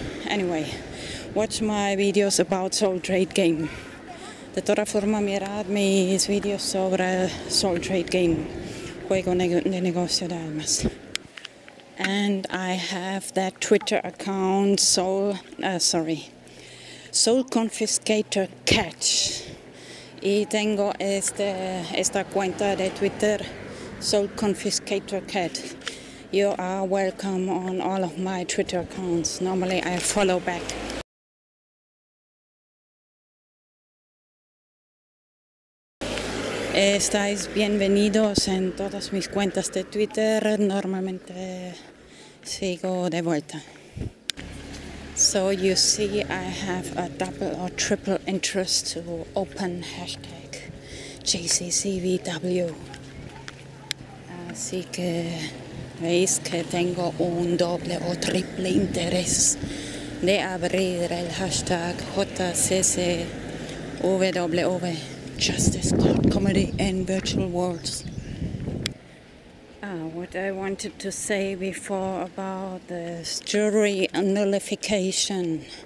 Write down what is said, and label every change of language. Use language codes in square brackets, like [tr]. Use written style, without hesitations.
[en] Anyway, watch my videos about Soul Trade Game. [es] De toda forma, mirad mis videos sobre Soul Trade Game, juego de negocio de almas. [en] And I have that Twitter account, Soul Confiscator Catch. [es] Y tengo esta cuenta de Twitter, Soul Confiscator Cat. [en] You are welcome on all of my Twitter accounts. Normally, I follow back. [es] Estáis bienvenidos en todas mis cuentas de Twitter. Normalmente sigo de vuelta. [en] So you see, I have a double or triple interest to open hashtag JCCVW. [es] Así que veis que tengo un doble o triple interés de abrir el hashtag JCCVW. [en] Justice Court Comedy in Virtual Worlds. What I wanted to say before about this jury nullification.